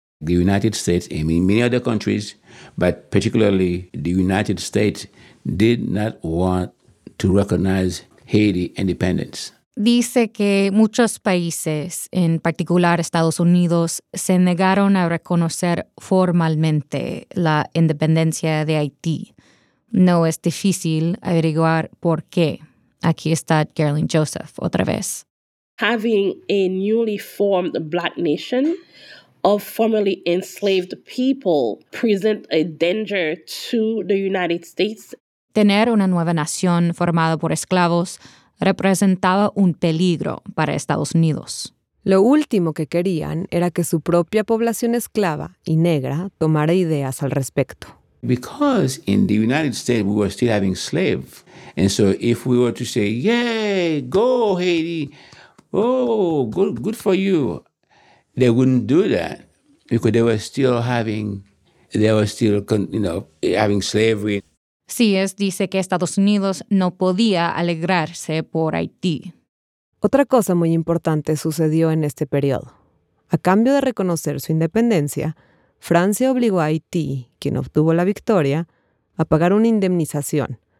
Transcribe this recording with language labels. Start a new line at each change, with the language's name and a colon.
English: The United States and many other countries, but particularly the United States, did not want to recognize Haiti independence.
Spanish: Dice que muchos países, en particular Estados Unidos, se negaron a reconocer formalmente la independencia de Haití. No es difícil averiguar por qué. Aquí está Gerlin Joseph otra vez.
English: Having a newly formed black nation of formerly enslaved people present a danger to the United States.
Spanish: Tener una nueva nación formada por esclavos representaba un peligro para Estados Unidos. Lo último que querían era que su propia población esclava y negra tomara ideas al respecto.
English: Because in the United States we were still having slaves. And so if we were to say, yay, go Haiti, oh, good for you, they wouldn't do that because they were still having slavery.
Spanish: Sies dice que Estados Unidos no podía alegrarse por Haití. Otra cosa muy importante sucedió en este periodo. A cambio de reconocer su independencia, Francia obligó a Haití, quien obtuvo la victoria, a pagar una indemnización.